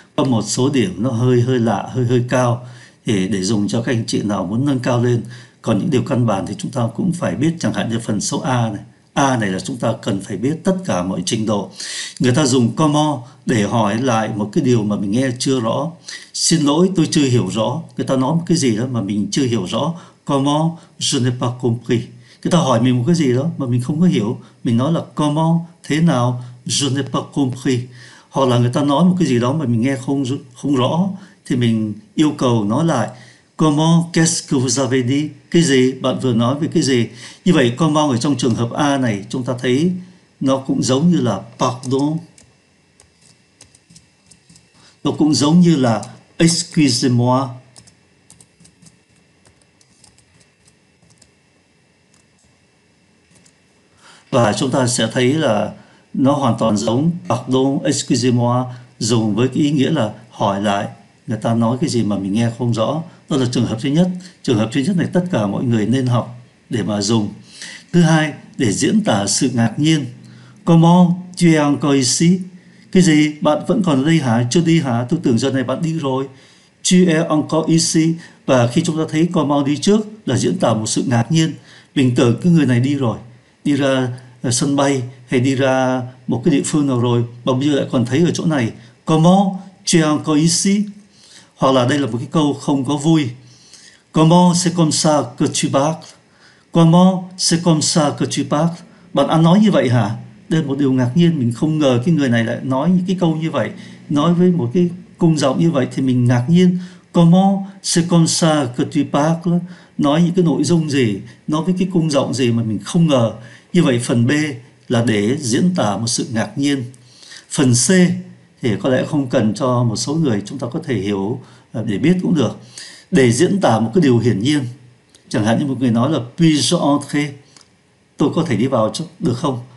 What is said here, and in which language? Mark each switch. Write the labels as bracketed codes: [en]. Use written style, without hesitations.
[vi] Có một số điểm nó hơi hơi lạ, hơi hơi cao để dùng cho các anh chị nào muốn nâng cao lên. Còn những điều căn bản thì chúng ta cũng phải biết, chẳng hạn như phần số A này. A này là chúng ta cần phải biết tất cả mọi trình độ. Người ta dùng comment để hỏi lại một cái điều mà mình nghe chưa rõ. Xin lỗi, tôi chưa hiểu rõ. Người ta nói một cái gì đó mà mình chưa hiểu rõ. [fr] Comment, je n'ai pas compris. [vi] Người ta hỏi mình một cái gì đó mà mình không có hiểu. Mình nói là comment, thế nào, [fr] je n'ai pas compris. [vi] Hoặc là người ta nói một cái gì đó mà mình nghe không không rõ. Thì mình yêu cầu nói lại. [fr] Comment, qu'est-ce que vous avez dit? [vi] Cái gì? Bạn vừa nói về cái gì? Như vậy, comment ở trong trường hợp A này, chúng ta thấy nó cũng giống như là pardon. Nó cũng giống như là excusez-moi. Và chúng ta sẽ thấy là nó hoàn toàn giống pardon, excusez-moi, dùng với cái ý nghĩa là hỏi lại người ta nói cái gì mà mình nghe không rõ. Đó là trường hợp thứ nhất. Trường hợp thứ nhất này tất cả mọi người nên học để mà dùng. Thứ hai, để diễn tả sự ngạc nhiên. [fr] Comment tu es encore ici? [vi] Cái gì? Bạn vẫn còn ở đây hả? Chưa đi hả? Tôi tưởng giờ này bạn đi rồi. [fr] Tu es encore ici? [vi] Và khi chúng ta thấy comment đi trước là diễn tả một sự ngạc nhiên. Mình tưởng cái người này đi rồi, đi ra sân bay hay đi ra một cái địa phương nào rồi, mà bây giờ lại còn thấy ở chỗ này. [fr] Comment tu es encore ici? [vi] Hoặc là đây là một cái câu không có vui. [fr] Comment c'est comme ça que tu parles? Comment c'est comme ça que tu parles? [vi] Bạn ăn nói như vậy hả? Đây là một điều ngạc nhiên, mình không ngờ cái người này lại nói những cái câu như vậy. Nói với một cái cung giọng như vậy thì mình ngạc nhiên. [fr] Comment c'est comme ça que tu parles? [vi] Nói những cái nội dung gì, nói với cái cung giọng gì mà mình không ngờ. Như vậy phần B là để diễn tả một sự ngạc nhiên. Phần C thì có lẽ không cần cho một số người chúng ta có thể hiểu để biết cũng được. Để diễn tả một cái điều hiển nhiên, chẳng hạn như một người nói là [fr] puis-je entrer, [vi] tôi có thể đi vào được không?